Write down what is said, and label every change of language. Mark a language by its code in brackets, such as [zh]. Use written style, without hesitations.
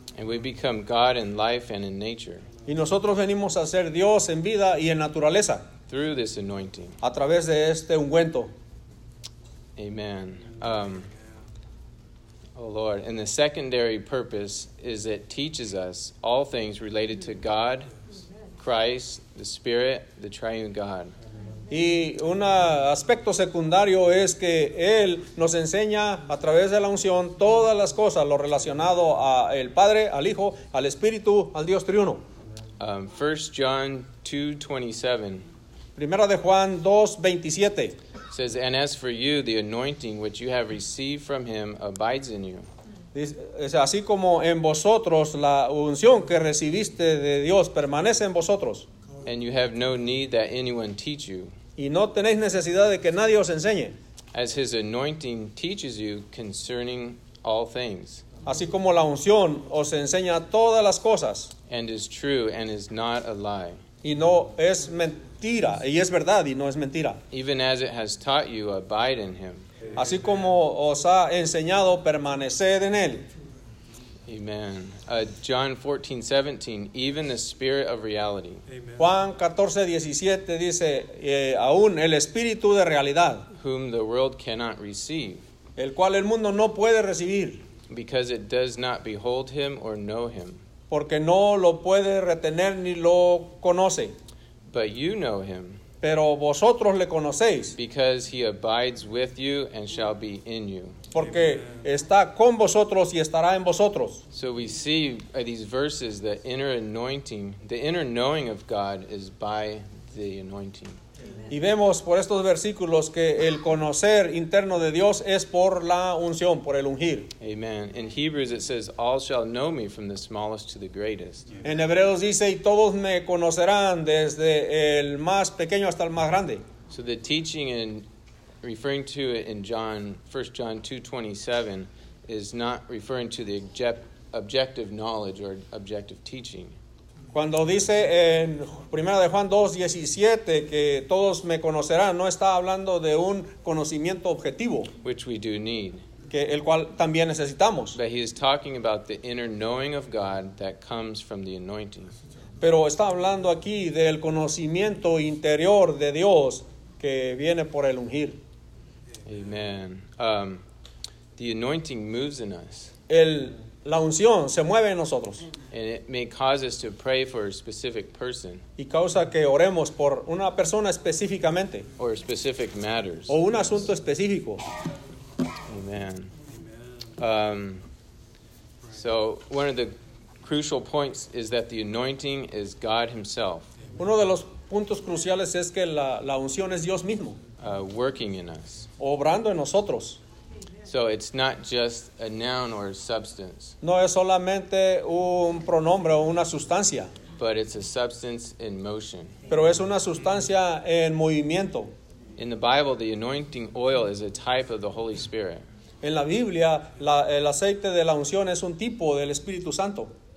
[en] And we become God in life and in nature. [es] Y nosotros venimos a ser Dios en vida y en naturaleza. [en] Through this anointing. [es] A través de este ungüento. [en] Amen. Oh Lord, and the secondary purpose is it teaches us all things related to God, Christ, the Spirit, the Triune God. [es] Y un aspecto secundario es que Él nos enseña a través de la unción todas las cosas, lo relacionado a el Padre, al Hijo, al Espíritu, al Dios Triuno. [en] 1 John 2:27. [es] Primera de Juan 2:27. [en] Says, and as for you, the anointing which you have received from him abides in you. [es] Así como en vosotros, la unción que recibiste de Dios permanece en vosotros. [en] And you have no need that anyone teach you. [es] Y no tenéis necesidad de que nadie os enseñe. [en] As his anointing teaches you concerning all things. [es] Así como la unción os enseña todas las cosas. [en] And is true and is not a lie. [es] Y no es mentira, y es verdad, y no es mentira. [en] Even as it has taught you, abide in him. [es] Así como os ha enseñado, permaneced en él. [en] Amen. John 14:17, even the spirit of reality. Amen. [es] Juan 14:17 dice, aún el espíritu de realidad. [en] Whom the world cannot receive. [es] El cual el mundo no puede recibir. [en] Because it does not behold him or know him. [es] Porque no lo puede retener ni lo conoce. [en] But you know him. [es] Pero vosotros le conocéis. [en] Because he abides with you and shall be in you. [es] Porque Amen. Está con vosotros y estará en vosotros. [en] So we see these verses, the inner anointing, the inner knowing of God is by the anointing. [es] Amen. Y vemos por estos versículos que el conocer interno de Dios es por la unción, por el ungir. [en] Amen. In Hebrews it says, all shall know me from the smallest to the greatest. [es] En Hebreos dice, y todos me conocerán desde el más pequeño hasta el más grande. [en] So the teaching in referring to it in John, 1 John 2:27, is not referring to the objective knowledge or objective teaching. [es] Cuando dice en Primera de Juan 2:17 que todos me conocerán, no está hablando de un conocimiento objetivo. [en] Which we do need. [es] Que el cual también necesitamos. [en] But he is talking about the inner knowing of God that comes from the anointing. [es] Pero está hablando aquí del conocimiento interior de Dios que viene por el ungir. [en] Amen. The anointing moves in us. [es] El la unción se mueve en nosotros. [en] And it may cause us to pray for a specific person. [es] Y causa que oremos por una persona específicamente. [en] Or specific matters. [es] O un asunto específico. [en] Amen. Amen. So one of the crucial points is that the anointing is God himself. [es] Uno de los puntos cruciales es que la unción es Dios mismo. [en] Working in us. [es] Obrando en nosotros. [en] So it's not just a noun or a substance. [es] No es solamente un pronombre o una sustancia. [en] But it's a substance in motion. [es] Pero es una sustancia en movimiento. [en] In the Bible, the anointing oil is a type of the Holy Spirit. [es] En la Biblia, el aceite de la unción es un tipo del Espíritu Santo.